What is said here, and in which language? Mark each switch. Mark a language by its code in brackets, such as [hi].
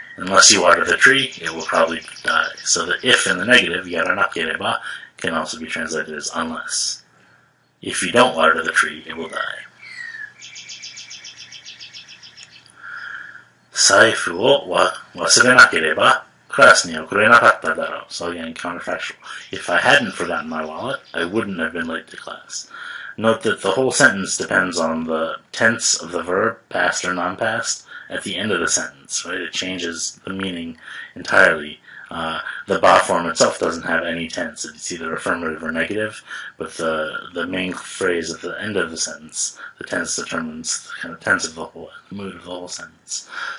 [en] Unless you water the tree, it will probably die. So the if in the negative, やらなければ, can also be translated as unless. If you don't water the tree, it will die. [ja] 財布を忘れなければクラスに遅れなかっただろう. [en] So again, counterfactual. If I hadn't forgotten my wallet, I wouldn't have been late to class. Note that the whole sentence depends on the tense of the verb, past or non-past, at the end of the sentence, right? It changes the meaning entirely. The ba form itself doesn't have any tense. It's either affirmative or negative, but the main phrase at the end of the sentence, the tense determines the kind of tense of the whole, the mood of the whole sentence.